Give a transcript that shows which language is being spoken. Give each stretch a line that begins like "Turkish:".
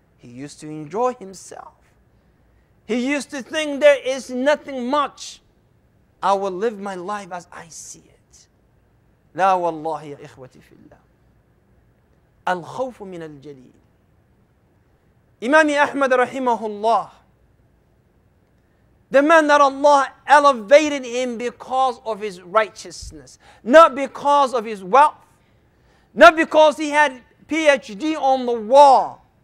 English: He used to enjoy himself. He used to think there is nothing much. I will live my life as I see it.
Arabic: لا والله يا إخوتي في الله. الخوف من الجليل. إمام أحمد رحمه الله,
English: the man that Allah elevated him because of his righteousness, not because of his wealth, not because he had PhD on the wall.